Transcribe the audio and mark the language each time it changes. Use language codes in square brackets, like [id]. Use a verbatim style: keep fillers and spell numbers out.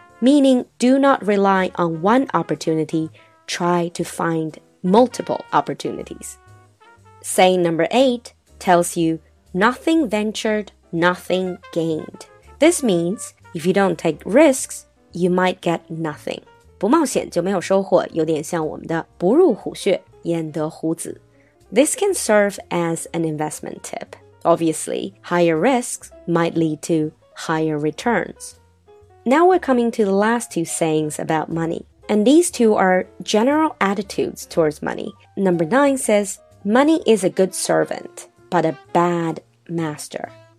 [en] Meaning, do not rely on one opportunity. Try to find multiple opportunities. Saying number eight tells you nothing ventured, nothing gained. This means if you don't take risks, you might get nothing. [zh] 不冒险就没有收获，有点像我们的不入虎穴，焉得虎子。 [en] This can serve as an investment tip. Obviously, higher risks might lead to higher returns. Now we're coming to the last two sayings about money. And these two are general attitudes towards money. Number nine says, money is a good servant, but a bad master.